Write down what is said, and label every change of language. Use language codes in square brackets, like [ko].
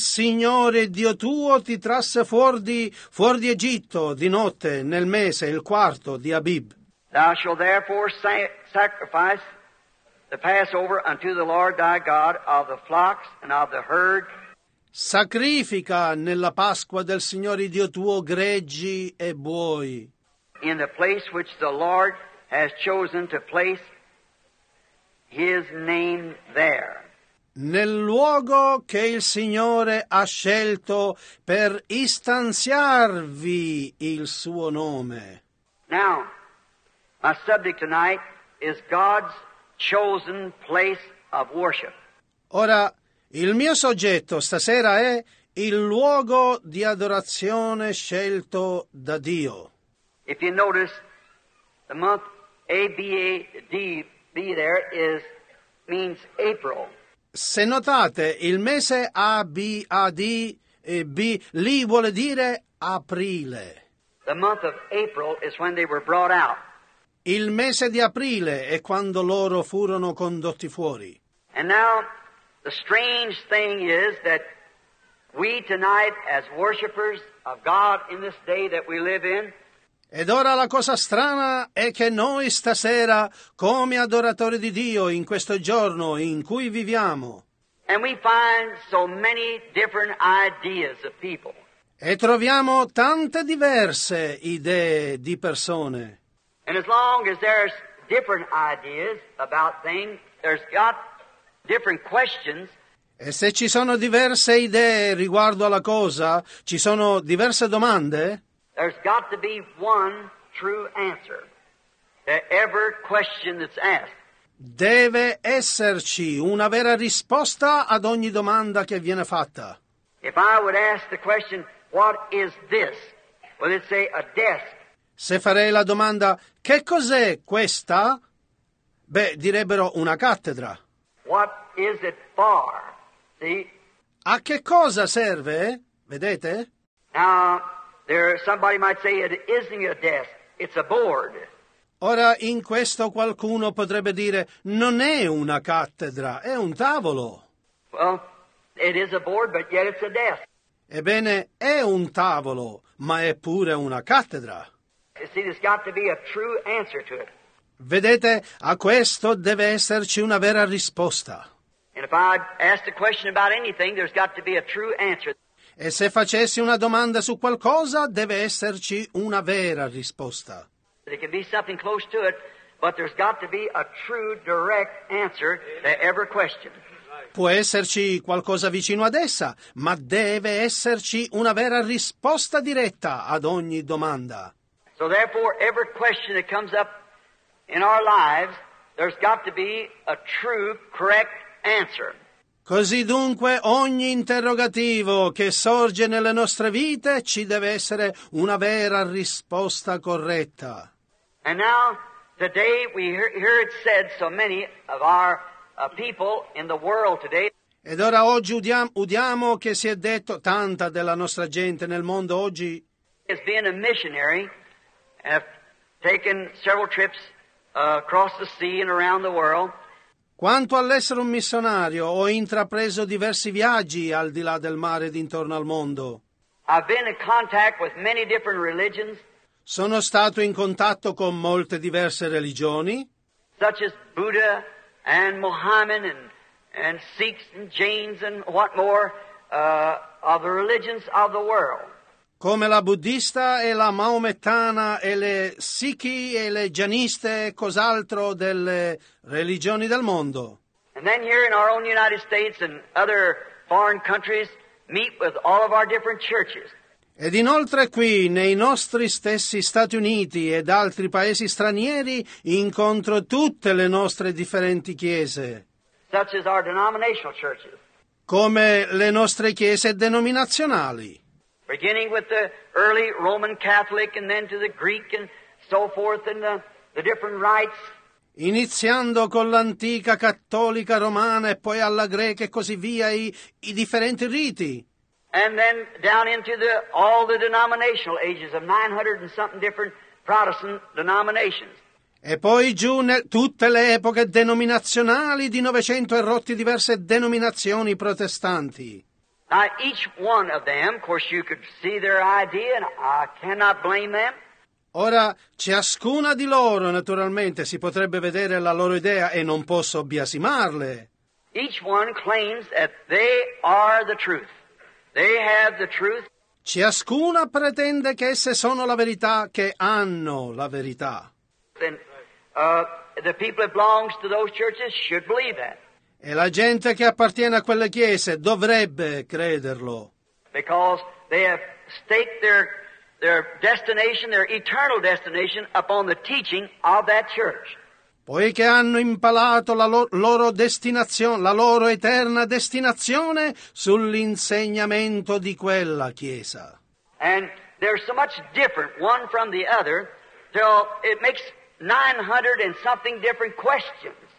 [it] Il Signore Dio tuo ti trasse fuori di Egitto di notte, nel mese, il quarto di Abib. [en] Thou shalt therefore sacrifice the Passover unto the Lord thy God of the flocks and of the herd. [it] Sacrifica nella Pasqua del Signore Dio tuo greggi e buoi. [en] In the place which the Lord has chosen to place his name there. [it] Nel luogo che il Signore ha scelto per istanziarvi il suo nome. [en] Now, my subject tonight is God's chosen place of worship. [it] Ora, il mio soggetto stasera è il luogo di adorazione scelto da Dio. [en] If you notice, the month A-B-A-D-B there means April. [it] Se notate, il mese A-B-A-D-B lì vuole dire aprile. [en] The month of April is when they were brought out. [it] Il mese di aprile è quando loro furono condotti fuori. [en] And now, the strange thing is that we tonight, as worshipers of God in this day that we live in, [it] ed ora la cosa strana è che noi stasera, come adoratori di Dio in questo giorno in cui viviamo, [en] and we find so many different ideas of people, [it] e troviamo tante diverse idee di persone. [en] And as long as there's different ideas about things, there's got different questions. [it] E se ci sono diverse idee riguardo alla cosa, ci sono diverse domande. [en] There's got to be one true answer to every question that's asked. [it] Deve esserci una vera risposta ad ogni domanda che viene fatta. [en] If I would ask the question, what is this? Would it say a desk? [it] Se farei la domanda, che cos'è questa? Beh, direbbero una cattedra. [en] What is it for? See? [it] A che cosa serve? Vedete? [en] Now, somebody might say it isn't a desk, it's a board. [it] Ora, in questo qualcuno potrebbe dire, non è una cattedra, è un tavolo. [en] Well, it is a board, but yet it's a desk. [it] Ebbene, è un tavolo, ma è pure una cattedra. [en] You see, there's got to be a true answer to it. [it] Vedete, a questo deve esserci una vera risposta. [en] And if I asked a question about anything, there's got to be a true answer. [it] E se facessi una domanda su qualcosa, deve esserci una vera risposta. [en] There can be something close to it, but there's got to be a true, direct answer to every question. [it] Può esserci qualcosa vicino ad essa, ma deve esserci una vera risposta diretta ad ogni domanda. [en] So therefore, every question that comes up in our lives, there's got to be a true, correct answer. [it] Così dunque, ogni interrogativo che sorge nelle nostre vite, ci deve essere una vera risposta corretta. [en] And now, today we hear it said so many of our people in the world today. [it] Ed ora oggi udiamo che si è detto tanta della nostra gente nel mondo oggi. [en] As being a missionary, have taken several trips across the sea and around the world. [it] Quanto all'essere un missionario, ho intrapreso diversi viaggi al di là del mare ed intorno al mondo. [en] I've been in contact with many different religions. [it] Sono stato in contatto con molte diverse religioni, [en] such as Buddha and Mohammed and Sikhs and Jains and what more of the religions of the world. [it] Come la buddista e la maomettana e le sikhi e le jainiste e cos'altro delle religioni del mondo. [en] And then here in our own United States and other foreign countries meet with all of our different churches. [it] Ed inoltre qui, nei nostri stessi Stati Uniti ed altri paesi stranieri, incontro tutte le nostre differenti chiese, [en] such as our denominational churches, [it] come le nostre chiese denominazionali, [en] beginning with the early Roman Catholic and then to the Greek and so forth and the different rites, [it] iniziando con l'antica cattolica romana e poi alla greca e così via, i differenti riti. [en] And then down into all the denominational ages of 900 and something different Protestant denominations. [it] E poi giù tutte le epoche denominazionali di 900 e rotti diverse denominazioni protestanti. [en] Now each one of them, of course you could see their idea and I cannot blame them. [it] Ora ciascuna di loro naturalmente si potrebbe vedere la loro idea e non posso biasimarle. [en] Each one claims that they are the truth. They have the truth. [it] Ciascuna pretende che esse sono la verità, che hanno la verità. [en] Then, the people that belongs to those churches should believe that. [it] E la gente che appartiene a quelle chiese dovrebbe crederlo. [en] Because they have staked their destination, their eternal destination, upon the teaching of that church. [it] Poiché hanno impalato la loro eterna destinazione sull'insegnamento di quella chiesa. [en] And they're so much different one from the other, till it makes 900 and something different questions.